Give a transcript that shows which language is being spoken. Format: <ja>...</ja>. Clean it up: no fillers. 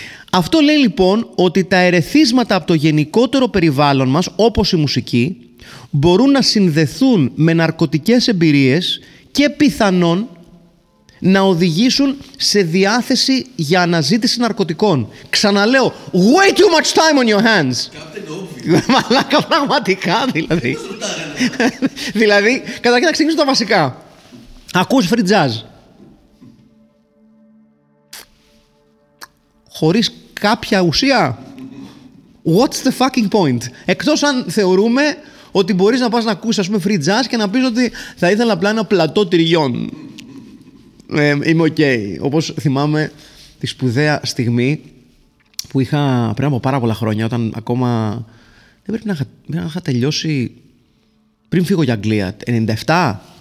<el>Αυτό λέει λοιπόν ότι τα ερεθίσματα από το γενικότερο περιβάλλον μας, όπως η μουσική, μπορούν να συνδεθούν με ναρκωτικές εμπειρίες και πιθανόν να οδηγήσουν σε διάθεση για αναζήτηση ναρκωτικών. Ξαναλέω,</el> <en>way too much time on your hands.</en> <el>Μαλάκα, πραγματικά δηλαδή. Δηλαδή, καταρχήν θα ξεκινήσω τα βασικά. Ακούς free jazz. Χωρίς κάποια ουσία.</el> <en>What's the fucking point?</en> <el>Εκτός αν θεωρούμε ότι μπορείς να πας να ακούσεις, ας πούμε, free jazz και να πεις ότι θα ήθελα απλά ένα πλατό τυριών. Είμαι ok. Όπως θυμάμαι τη σπουδαία στιγμή που είχα πριν από πάρα πολλά χρόνια, όταν ακόμα δεν πρέπει να είχα τελειώσει πριν φύγω για Αγγλία. 97.</el>